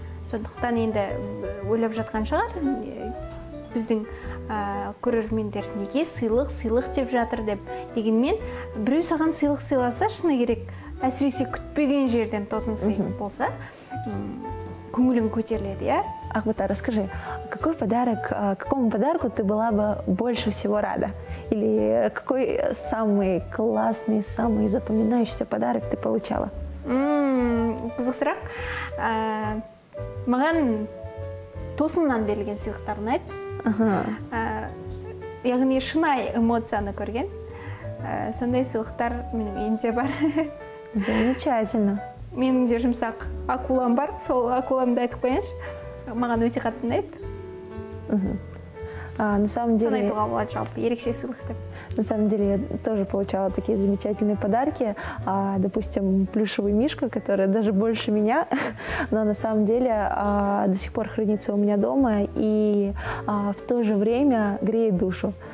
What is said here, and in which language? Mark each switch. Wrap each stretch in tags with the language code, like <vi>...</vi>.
<kk>Сондықтан енді ойлап жатқан шығар, біздің көрермендер неге сыйлық деп жатыр деп. Дегенмен, біреу саған сыйлық сыйласа, шыны керек, әсіресе күтпеген жерден тосын сыйлық болса, көңілің көтерледі, иә?</kk> <ru>Ахбата, расскажи, какому подарку ты была бы больше всего рада? Или какой самый классный, самый запоминающийся подарок ты получала?</ru> <kk>Қызық сұрақ. Маған тосыннан берілген сыйлықтар ұнайды. Яғни шынай эмоцияны көрген. Сондай сыйлықтар менің үйімде бар.</kk> <ru>Замечательно.</ru> <kk>Менің де жұмсақ акулам бар, сол акуламды айтып қояйыншы. Маған өте қатты ұнайды.</kk> <ru>На самом деле, я тоже получала такие замечательные подарки, допустим, плюшевый мишка, который даже больше меня, но на самом деле до сих пор хранится у меня дома и в то же время греет душу.</ru>